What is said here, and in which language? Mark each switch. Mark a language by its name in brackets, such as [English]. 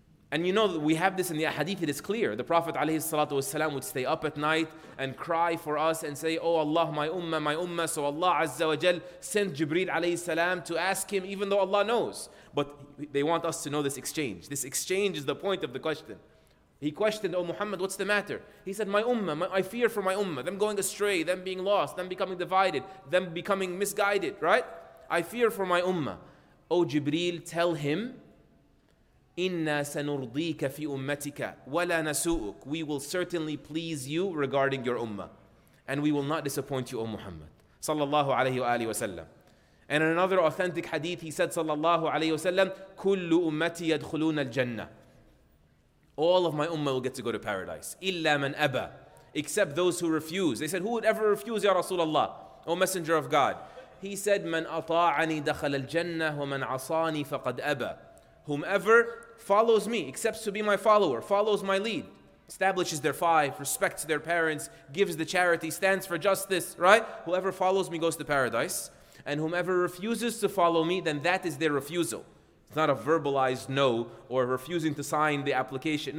[English] And you know, we have this in the ahadith, it is clear. The Prophet ﷺ would stay up at night and cry for us and say, oh Allah, my ummah, so Allah Azza wa Jal sent Jibreel ﷺ to ask Him, even though Allah knows. But they want us to know this exchange. This exchange is the point of the question. He questioned, oh Muhammad, what's the matter? He said, my ummah, I fear for my ummah, them going astray, them being lost, them becoming divided, them becoming misguided, right? I fear for my ummah. Oh Jibreel, tell him, [Arabic] إِنَّا سَنُرْضِيكَ فِي أُمَّتِكَ وَلَا نَسُوءُكَ. [English] We will certainly please you regarding your ummah. And we will not disappoint you, O Muhammad. Sallallahu alayhi wa alayhi wa sallam. And in another authentic hadith, he said, sallallahu alayhi wa sallam, [Arabic] كُلُّ أُمَّتِي يَدْخُلُونَ الْجَنَّةِ. [English] All of my ummah will get to go to paradise. [Arabic] إِلَّا مَنْ أَبَى. [English] Except those who refuse. They said, who would ever refuse, Ya Rasulullah, O Messenger of God? He said, [Arabic] مَنْ أَطَاعَنِي دَخَلَ الْجَنَّةِ وَمَنْ عَصَانِي فَقَدْ أَبَى. [English] Whomever follows me, accepts to be my follower, follows my lead, establishes their five, respects their parents, gives the charity, stands for justice, right? Whoever follows me goes to paradise. And whomever refuses to follow me, then that is their refusal. It's not a verbalized no or refusing to sign the application.